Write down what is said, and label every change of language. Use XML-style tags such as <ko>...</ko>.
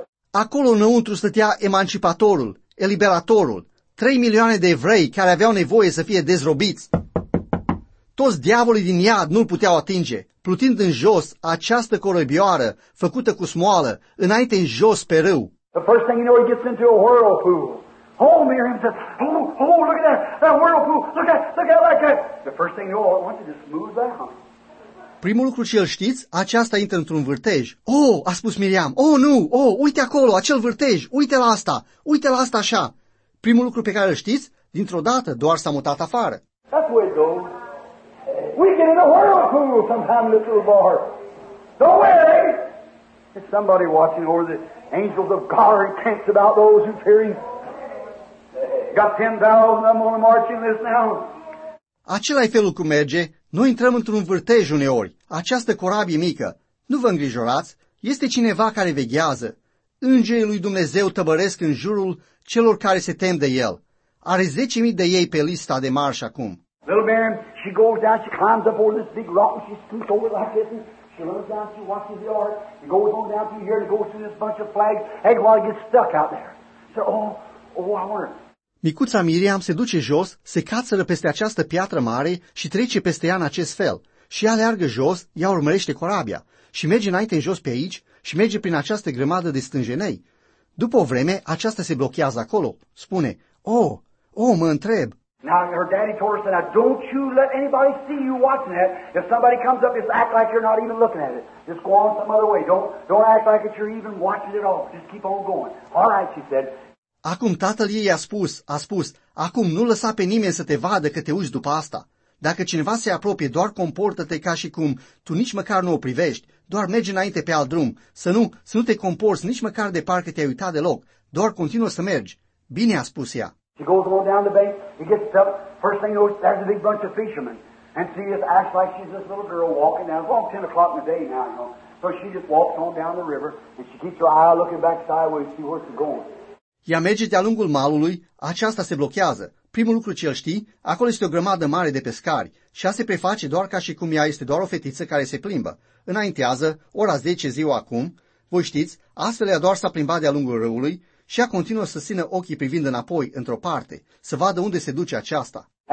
<ro>Acolo înăuntru stătea emancipatorul, eliberatorul, 3 milioane de evrei care aveau nevoie să fie dezrobiți. Toți diavolii din iad nu-l puteau atinge, plutind în jos această corăbioară făcută cu smoală, înainte în jos pe râu.</ro> <en>The first thing you know, he gets into a whirlpool. Oh, Miriam says, look at that whirlpool, look at that guy. The first thing you know, I want to just move down.</en> <ro>Primul lucru ce îl știți, aceasta intră într-un vârtej. A spus Miriam, uite acolo, acel vârtej, uite la asta așa. Primul lucru pe care îl știți, dintr-o dată doar s-a mutat afară.</ro> <en>That's where it goes. We get in a whirlpool sometimes, this little boy. Don't worry. There's somebody watching over the angels of God are intense about those who fear Him. Got 10,000 of them on the marching list now.</en> <ro>Același felul cum merge, noi intrăm într-un vârtej uneori. Această corabie mică, nu vă îngrijorați, este cineva care veghează. Îngerii lui Dumnezeu tăbăresc în jurul celor care se tem de el. Are 10,000 de ei pe lista de marș acum.</ro> <en>Little Miriam, she goes down, she climbs up over this big rock and she scoots over like this and she runs down, she watches the ark. She goes on down through here and goes through this bunch of flags. Hey, while it gets stuck out there. So, oh, I wonder.</en> <ro>Micuța Miriam se duce jos, se cațără peste această piatră mare și trece peste ea în acest fel. Și ea leargă jos, ea urmărește corabia și merge înainte în jos pe aici și merge prin această grămadă de stânjenei. După o vreme, aceasta se blochează acolo. Spune, oh, mă întreb.</ro> <en>Now her daddy told her, now don't you let anybody see you watching that. If somebody comes up, just act like you're not even looking at it. Just go on some other way. Don't act like you're even watching it all. Just keep on going. All right, she said.</en> <ro>Acum tatăl ei a spus, acum nu lăsa pe nimeni să te vadă că te uiți după asta. Dacă cineva se apropie, doar comportă-te ca și cum tu nici măcar nu o privești, doar mergi înainte pe alt drum, să nu te comporți nici măcar de parcă te-ai uitat deloc, doar continuă să mergi. Bine a spus ea.</ro> <en>She goes on down the bank, he gets up, first thing you know, there's a big bunch of fishermen, and she just acts like she's this little girl walking down, it's all 10 o'clock in the day now, you know, so she just walks on down the river, and she keeps her eye looking back sideways, see where she's going.</en> <ro>Ea merge de-a lungul malului, aceasta se blochează. Primul lucru ce-l știi, acolo este o grămadă mare de pescari și ea se preface doar ca și cum ea este doar o fetiță care se plimbă. Înaintează, ora 10 ziua acum, voi știți, astfel ea doar s-a plimbat de-a lungul râului și ea continuă să țină ochii privind înapoi, într-o parte, să vadă unde se duce aceasta.</ro>